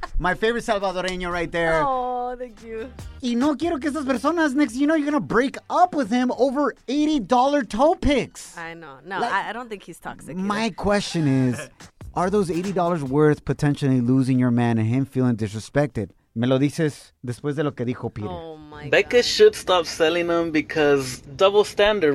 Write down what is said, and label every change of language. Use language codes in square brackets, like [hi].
[en] My favorite Salvadoreño right there. Oh, thank you. [es] Y no quiero que esas personas, [en] next, you know, you're going to break up with him over $80 toe pics. I know. No, like, I don't think he's toxic either. My question is, are those $80 worth potentially losing your man and him feeling disrespected? [es] Me lo dices después de lo que dijo Peter. [en] Oh, Becca should stop selling them because double standard.